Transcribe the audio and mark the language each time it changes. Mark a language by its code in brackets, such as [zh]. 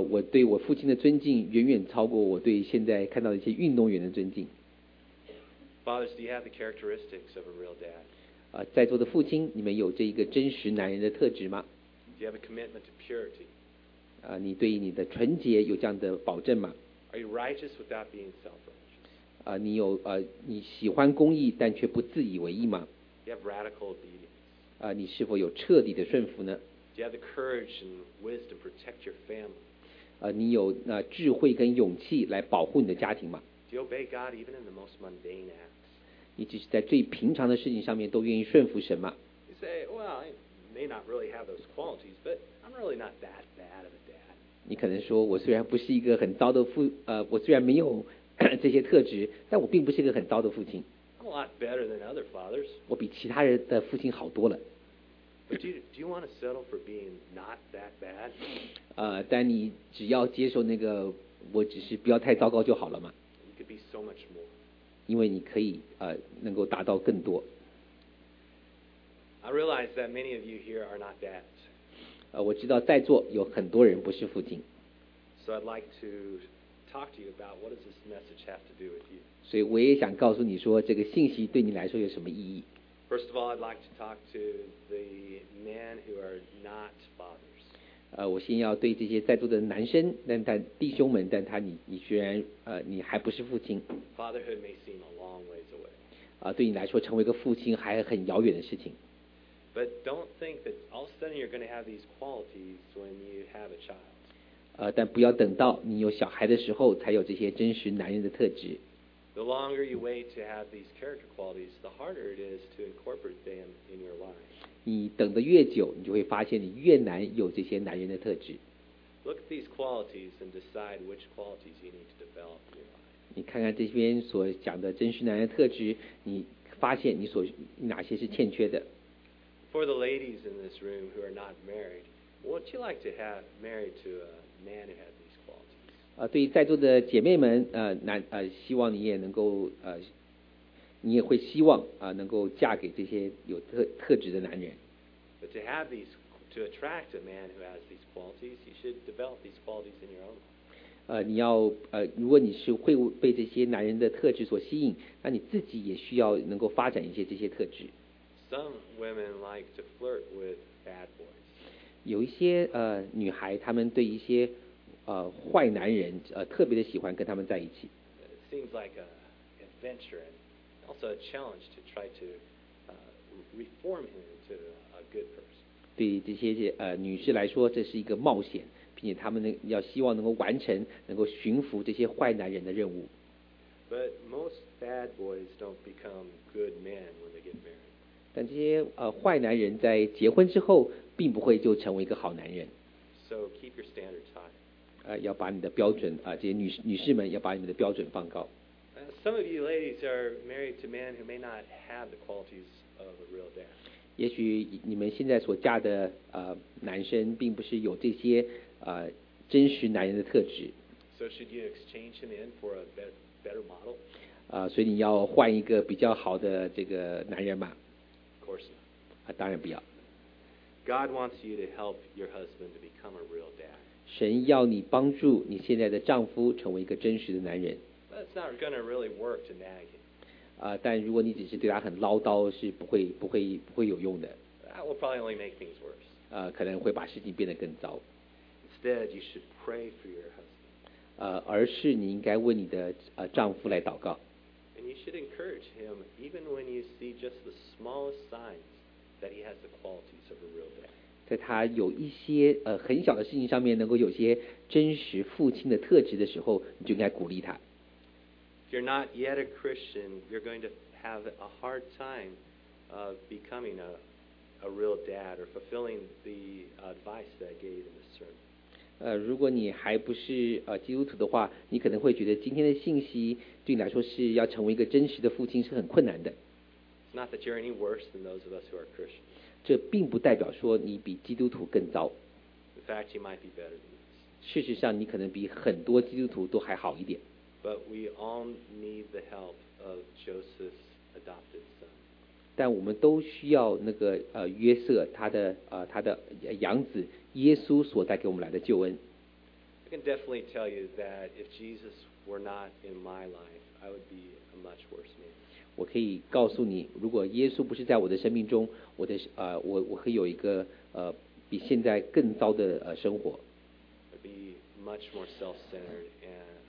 [zh] 我对我父亲的尊敬远远超过我对现在看到的一些运动员的尊敬。 [en] Fathers, do you have the characteristics of a real dad? [zh] 在座的父亲，你们有这一个真实男人的特质吗？ [en] Do you have a commitment to purity? [zh] 你对你的纯洁有这样的保证吗？ [en] Are you righteous without being selfish? [zh] 你有你喜欢公义，但却不自以为意吗？ [en] Do you have radical obedience? [zh] 你是否有彻底的顺服呢？ [en] Do you have the courage and wisdom to protect your family? [zh] 你有智慧跟勇气来保护你的家庭吗？ [en] Do you obey God even in the most mundane act? [zh] 你即使在最平常的事情上面都愿意顺服神吗？ [en] You say, well, I may not really have those qualities, but I'm really not that bad of a dad. [zh] 你可能说，我虽然不是一个很糟的父，我虽然没有这些特质，但我并不是一个很糟的父亲。 [en] I'm a lot better than other fathers. [zh] 我比其他人的父亲好多了。 [en] But do you want to settle for being not that bad? [zh] 但你只要接受那个，我只是不要太糟糕就好了嘛。 [en] You could be so much more. [zh] 因为你可以能够达到更多。 [en] I realize that many of you here are not dads. [zh] 我知道在座有很多人不是父亲。 [en] So I'd like to talk to you about what does this message have to do with you. [zh] 所以我也想告诉你说，这个信息对你来说有什么意义。 [en] First of all, I'd like to talk to the men who are not fathers. [zh] 我先要对这些在座的男生，但弟兄们，但他你虽然你还不是父亲。 [en] Fatherhood may seem a long ways away. [zh] 对你来说成为一个父亲还很遥远的事情。 [en] But don't think that all of a sudden you're going to have these qualities when you have a child. [zh] 但不要等到你有小孩的时候才有这些真实男人的特质。 [en] The longer you wait to have these character qualities, the harder it is to incorporate them in your life. [zh] 你等得越久，你就会发现你越难有这些男人的特质。 [en] Look at these qualities and decide which qualities you need to develop in your life. [zh] 你看看这边所讲的真实男人的特质，你发现你所哪些是欠缺的。 [en] For the ladies in this room who are not married, would you like to have married to a man who has these qualities? [zh] 对于在座的姐妹们，希望你也能够你也会希望能够嫁给这些有特质的男人。 [en] But to have these, to attract a man who has these qualities, you should develop these qualities in your own. [zh] 你要如果你是会被这些男人的特质所吸引，那你自己也需要能够发展一些这些特质。 [en] Some women like to flirt with bad boys. [zh] 有一些女孩，她们对一些坏男人特别的喜欢跟他们在一起。 [en] It seems like an adventure and also a challenge to try to reform him into a good person. [zh] 对这些女士来说，这是一个冒险，并且她们要希望能够完成，能够驯服这些坏男人的任务。 [en] But most bad boys don't become good men when they get married. [zh] 但这些坏男人在结婚之后并不会就成为一个好男人。 [en] So keep your standards high. [zh] 要把你的标准这些女士们要把你们的标准放高。 [en] Some of you ladies are married to men who may not have the qualities of a real dad. [zh] 也许你们现在所嫁的男生并不是有这些真实男人的特质。 [en] So should you exchange him in for a better model? [zh] 所以你要换一个比较好的这个男人嘛。当然不要。 [en] God wants you to help your husband to become a real dad. [zh] 神要你帮助你现在的丈夫成为一个真实的男人。 [en] But it's not going to really work to nag him. [zh] 但如果你只是对他很唠叨，是不会有用的。 [en] That will probably only make things worse. [zh] 可能会把事情变得更糟。 [en] Instead, you should pray for your husband. [zh] 而是你应该为你的丈夫来祷告。 [en] And you should encourage him even when you see just the smallest signs that he has the qualities of a real dad. [zh] 在他有一些很小的事情上面能够有些真实父亲的特质的时候，你就应该鼓励他。 [en] If you're not yet a Christian, you're going to have a hard time of becoming a real dad or fulfilling the advice that I gave in the sermon. [zh] 如果你还不是基督徒的话，你可能会觉得今天的信息对你来说是要成为一个真实的父亲是很困难的。 [en] It's not that you're any worse than those of us who are Christians. [zh] 这并不代表说你比基督徒更糟。 [en] In fact, you might be better than this. [zh] 事实上，你可能比很多基督徒都还好一点。 [en] But we all need the help of Joseph's adopted son. [zh] 但我们都需要那个约瑟他的养子耶稣所带给我们来的救恩。 [en] I can definitely tell you that if Jesus were not in my life, I would be a much worse man. [zh] 我可以告诉你，如果耶稣不是在我的生命中，我会有一个比现在更糟的生活。 [en] I'd be much more self-centered and.